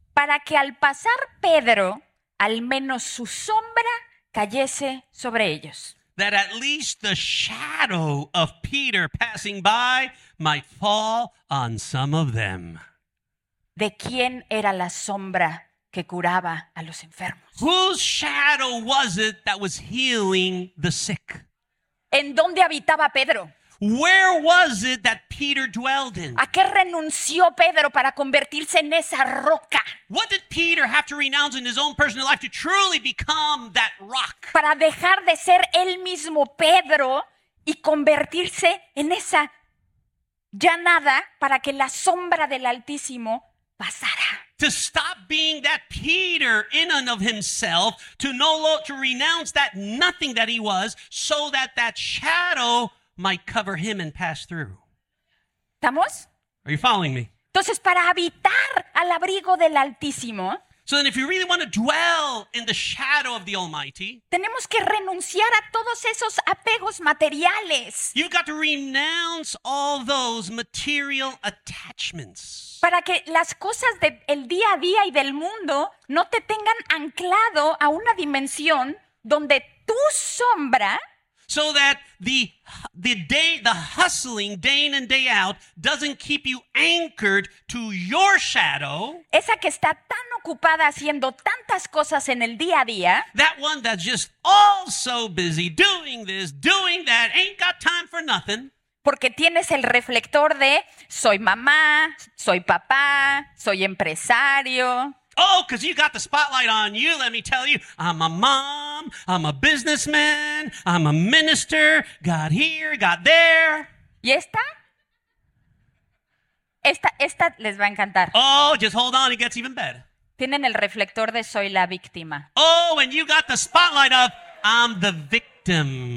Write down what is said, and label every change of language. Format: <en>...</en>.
<es>Para que al pasar Pedro, al menos su sombra cayese sobre ellos.</es> <en>That at least the shadow of Peter passing by might fall on some of them.</en> <es>¿De quién era la sombra que curaba a los enfermos?</es> <en>Whose shadow was it that was healing the sick?</en> <es>¿En dónde habitaba Pedro?</es> <en>Where was it that Peter dwelled in?</en> <es>¿A qué renunció Pedro para convertirse en esa roca?</es> <en>What did Peter have to renounce in his own personal life to truly become that rock?</en> <es>Para dejar de ser él mismo Pedro y convertirse en esa ya nada para que la sombra del Altísimo pasara.</es> <en>To stop being that Peter in and of himself, to renounce that nothing that he was, so that that shadow might cover him and pass through.</en> <es>¿Estamos?</es> <en>Are you following me?</en> <es>Entonces, para habitar al abrigo del Altísimo,</es> <en>so then if you really want to dwell in the shadow of the Almighty,</en> <es>tenemos que renunciar a todos esos apegos materiales.</es> <en>You've got to renounce all those material attachments.</en> <es>Para que las cosas del día a día y del mundo no te tengan anclado a una dimensión donde tu sombra.</es> <en>So that the hustling day in and day out doesn't keep you anchored to your shadow.</en> <es>Esa que está tan ocupada haciendo tantas cosas en el día a día.</es> <en>That one that's just all so busy doing this, doing that, ain't got time for nothing.</en> <es>Porque tienes el reflector de soy mamá, soy papá, soy empresario.</es> <en>Oh, because you got the spotlight on you, let me tell you. I'm a mom, I'm a businessman, I'm a minister, got here, got there.</en> <es>¿Y esta? Esta les va a encantar.</es> <en>Oh, just hold on, it gets even better.</en> <es>Tienen el reflector de soy la víctima.</es> <en>Oh, and you got the spotlight of I'm the victim.</en>